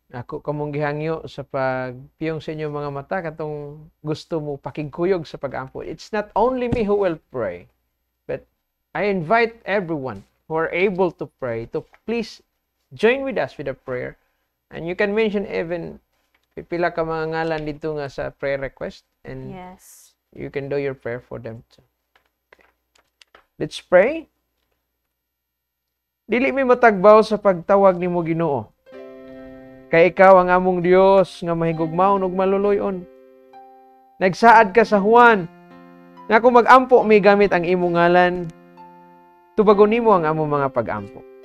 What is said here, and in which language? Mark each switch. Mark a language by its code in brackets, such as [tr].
[ceb] Ako kamong gihangyo sa pagpiyong sa inyo mga mata katong gusto mo pakigkuyog sa pag-ampo. [en] It's not only me who will pray, but I invite everyone who are able to pray to please join with us with a prayer. And you can mention even [ceb] pipila ka mga ngalan dito nga [en] sa prayer request. And yes, you can do your prayer for them too. Okay. Let's pray. [ceb] Dili mi matagbaw sa pagtawag ni mo Ginoo. Kay ikaw ang among Dios nga mahigugmaon ug maluloyon. Nagsaad ka sa Juan nga kung mag-ampo mi gamit ang imong ngalan, tubagon nimo ang among mga pag-ampo.